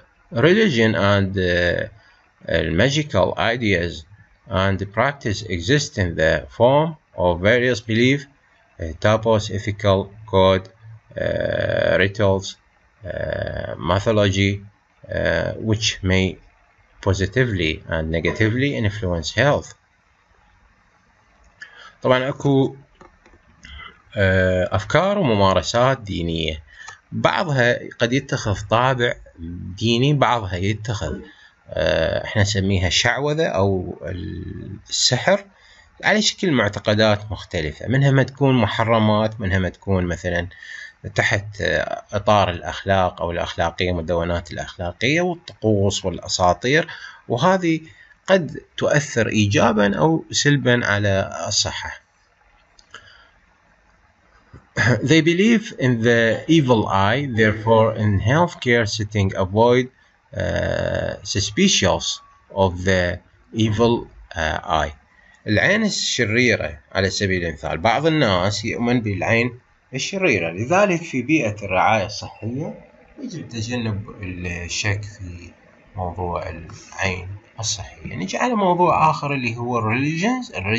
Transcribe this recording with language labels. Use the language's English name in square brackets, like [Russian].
[English] Religion and magical ideas and practice exist in the form of various belief, tapos, ethical code, rituals, mythology, which may positively and negatively influence health. [Arabic] طبعا اكو افكار وممارسات دينية بعضها قد يتخذ طابع ديني، بعضها يتخذ احنا نسميها الشعوذة او السحر على شكل معتقدات مختلفة، منها ما تكون محرمات، منها ما تكون مثلا تحت اطار الاخلاق او الاخلاقية، مدونات الاخلاقية والطقوس والاساطير، وهذه قد تؤثر ايجابا او سلبا على الصحة. [English] They believe in the evil eye, therefore in healthcare setting avoid suspicious of the evil eye. [Arabic] العين الشريرة على سبيل المثال، بعض الناس يؤمن بالعين الشريرة، لذلك في بيئة الرعاية الصحية يجب تجنب الشك في موضوع العين الصحية. نجي على موضوع آخر اللي هو religions.